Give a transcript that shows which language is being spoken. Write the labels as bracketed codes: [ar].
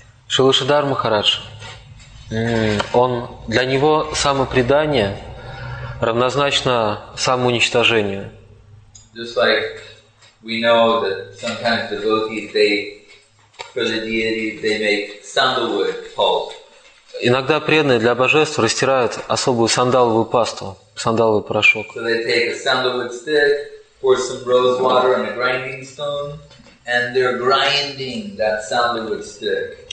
[ru] Srila Sridhar Maharaj, он для него самопредание равнозначно самоуничтожению. [en] Just like we know that sometimes devotees they for the deity, they make sandalwood pulp. [ru] Иногда преданные для божества растирают особую сандаловую пасту, сандаловый порошок. [en] So they take a sandalwood stick, pour some rose water on a grinding stone, and they're grinding that sandalwood stick.